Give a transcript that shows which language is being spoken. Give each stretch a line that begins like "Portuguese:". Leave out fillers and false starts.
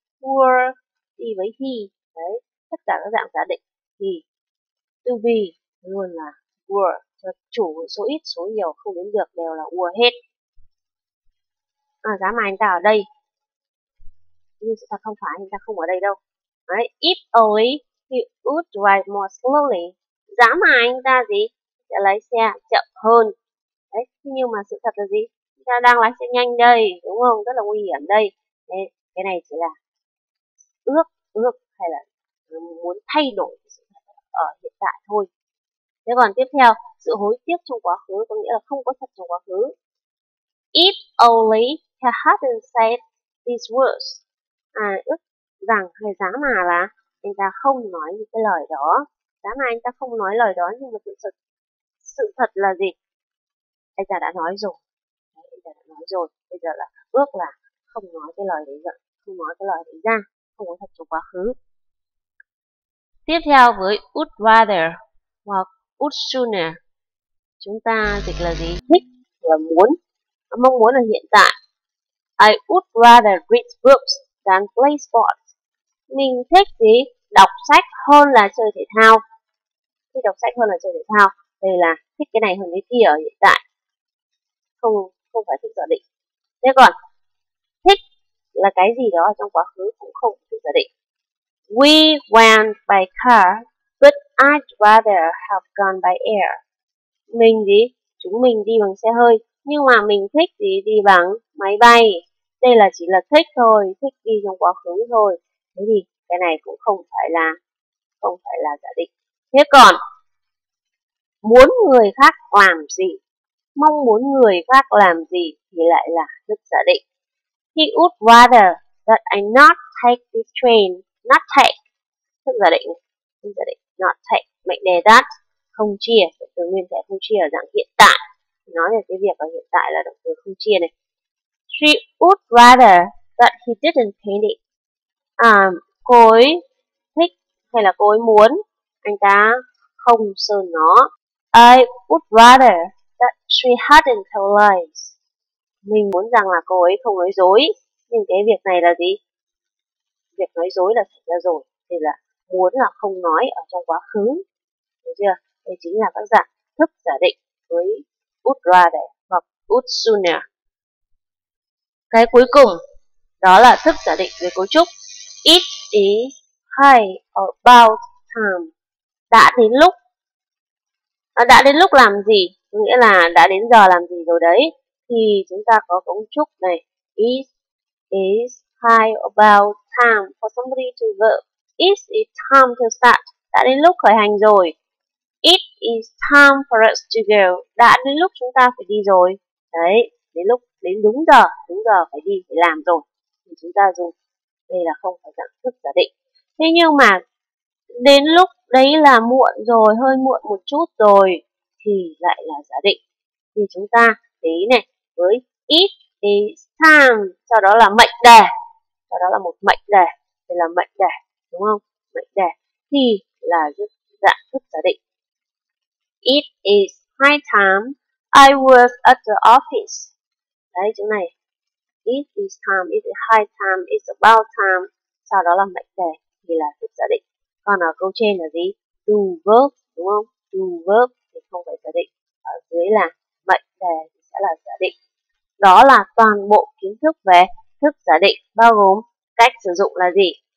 Vietnamese: Were đi với he. Đấy, tất cả các dạng giả định thì to be luôn là were. Chủ số ít, số nhiều, không đến được, đều là were hết. Giá mà anh ta ở đây. Nhưng sự thật không phải, anh ta không ở đây đâu.
English: Đấy, if only he would drive more slowly.
Vietnamese: Giá mà anh ta gì? Sẽ lái xe chậm hơn. Đấy, nhưng mà sự thật là gì? Anh ta đang lái xe nhanh đây, đúng không? Rất là nguy hiểm đây. Đấy, cái này chỉ là ước hay là muốn thay đổi sự thật ở hiện tại thôi. Thế còn tiếp theo, sự hối tiếc trong quá khứ có nghĩa là không có thật trong quá khứ.
English: If only he hadn't said these words.
Vietnamese: Ước rằng hay giá mà là anh ta không nói những cái lời đó. Giá mà anh ta không nói lời đó, nhưng mà sự thật là gì? Anh ta đã nói rồi. Bây giờ là ước là không nói cái lời đấy ra. Không nói cái lời đấy ra. Không có thật trong quá khứ. Tiếp theo với would rather hoặc would sooner. Chúng ta dịch là gì? Thích là muốn. Mong muốn là hiện tại.
English: I would rather read books than play sports.
Vietnamese: Mình thích gì? Đọc sách hơn là chơi thể thao. Thích đọc sách hơn là chơi thể thao. Đây là thích cái này hơn cái kia ở hiện tại. Không phải thích giả định. Thế còn, thích là cái gì đó trong quá khứ cũng không thích giả định.
English: We went by car, but I'd rather have gone by air.
Vietnamese: Mình gì? Chúng mình đi bằng xe hơi. Nhưng mà mình thích gì? Đi bằng máy bay. Đây là chỉ là thích thôi, thích đi trong quá khứ thôi. Thế thì cái này cũng không phải là giả định. Thế còn, muốn người khác làm gì? Mong muốn người khác làm gì thì lại là thức giả định.
English: He would rather that I not take this train. Not take.
Vietnamese: Thức giả định. Not take. Mệnh đề that. Không chia. Từ nguyên thể không chia ở dạng hiện tại. Nói về cái việc ở hiện tại là động từ không chia này.
English: She would rather that he didn't paint it.
Vietnamese: Cô ấy thích hay là cô ấy muốn anh ta không sơn nó.
English: I would rather that she hadn't told lies.
Vietnamese: Mình muốn rằng là cô ấy không nói dối. Nhưng cái việc này là gì? Việc nói dối là xảy ra rồi. Thì là muốn là không nói ở trong quá khứ. Được chưa? Đây chính là các dạng thức giả định với would rather hoặc would sooner. Cái cuối cùng đó là thức giả định về cấu trúc.
English: It is high about time.
Vietnamese: Đã đến lúc. Đã đến lúc làm gì? Nghĩa là đã đến giờ làm gì rồi đấy. Thì chúng ta có cấu trúc này.
English: It is high about time for somebody to work. It is time to start.
Vietnamese: Đã đến lúc khởi hành rồi.
English: It is time for us to go.
Vietnamese: Đã đến lúc chúng ta phải đi rồi. Đấy, đến lúc đến đúng giờ phải đi phải làm rồi thì chúng ta dùng. Đây là không phải dạng thức giả định. Thế nhưng mà đến lúc đấy là muộn rồi, hơi muộn một chút rồi thì lại là giả định. Thì chúng ta để ý này, với it is time, sau đó là mệnh đề, sau đó là một mệnh đề, thì là mệnh đề, đúng không? Mệnh đề thì là dạng thức giả định.
English: It is high time I was at the office.
Vietnamese: Đấy, chỗ này.
English: It is time, it is high time, it's about time.
Vietnamese: Sau đó là mệnh đề thì là thức giả định. Còn ở câu trên là gì? Do verb, đúng không? Do verb thì không phải giả định. Ở dưới là mệnh đề thì sẽ là giả định. Đó là toàn bộ kiến thức về thức giả định, bao gồm cách sử dụng là gì?